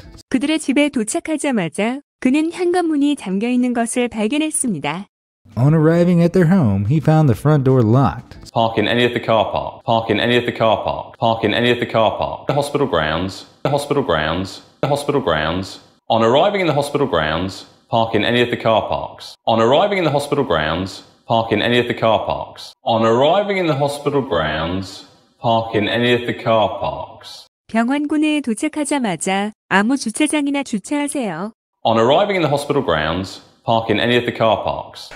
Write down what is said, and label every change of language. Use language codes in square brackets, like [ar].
[ko] 그들의 집에 도착하자마자 그는 현관문이 잠겨 있는 것을 발견했습니다. [en] On arriving at their home, he found the front door locked. Park in any of the car parks. [ko] 병원군에 도착하자마자 아무 주차장이나 주차하세요. [en] On arriving in the hospital grounds, park in any of the car parks.